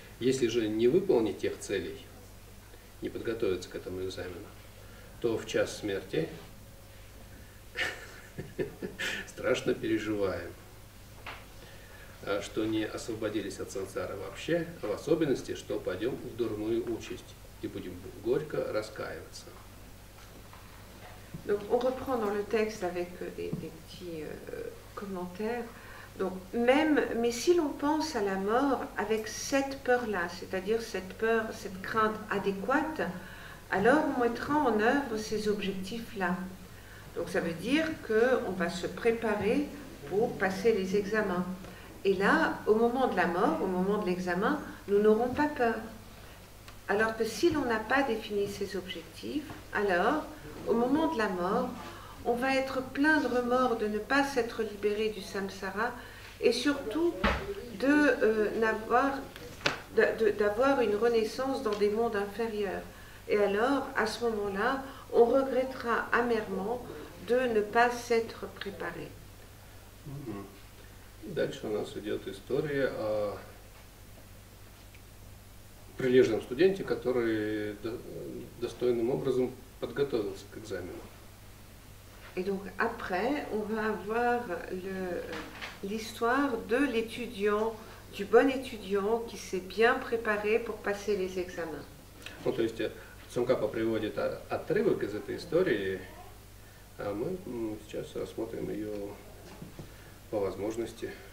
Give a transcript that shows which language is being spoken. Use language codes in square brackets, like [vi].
[ru] Если же не выполнить тех целей, не подготовиться к этому экзамену, то в час смерти страшно переживаем. что не освободились от сансары вообще, а в особенности, что пойдем в дурную участь и будем горько раскаиваться. [fr] Donc on reprend dans le texte avec des petits commentaires. Donc même, mais si l'on pense à la mort avec cette peur-là, c'est-à-dire cette peur, cette crainte adéquate, alors on mettra en œuvre ces objectifs-là. Donc ça veut dire qu'on va se préparer pour passer les examens. Et là, au moment de la mort, au moment de l'examen, nous n'aurons pas peur. Alors que si l'on n'a pas défini ces objectifs, alors, au moment de la mort, on va être plein de remords de ne pas s'être libéré du samsara et surtout de, d'avoir une renaissance dans des mondes inférieurs. Et alors, à ce moment-là, on regrettera amèrement de ne pas s'être préparé. [ru] Дальше у нас идет история о прилежном студенте, который достойным образом подготовился к экзамену. [fr] Et donc après, on va avoir l'histoire de l'étudiant, du bon étudiant qui s'est bien préparé pour passer les examens. [ru] Ну, то есть Цонкапа приводит отрывок из этой истории, а мы сейчас рассмотрим ее по возможности.